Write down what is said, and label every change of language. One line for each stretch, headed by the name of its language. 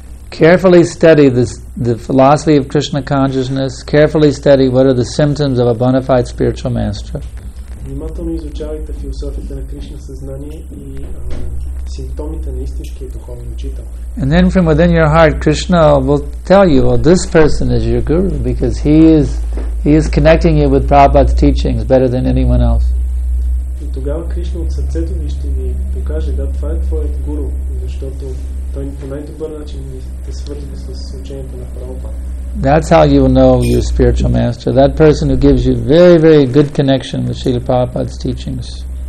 English: Carefully study the philosophy of Krishna consciousness. Carefully study what are the symptoms of a bona fide spiritual master.
Bulgarian: Внимателно изучавайте философията на Кришна съзнание и симптомите на истинския духовен учител.
English: And then from within your heart, Krishna will tell you, well, this person is your guru because he is connecting you with Prabhupada's teachings better than anyone else.
Bulgarian: И тогава Кришна от сърцето ви ще ви покаже, да, това е твоят гуру, защото той по най-добър начин те свързва с учението на Прабхупада.
English: That's how you know your spiritual master. That person who gives you very, very good connection with Srila Prabhupada's teachings.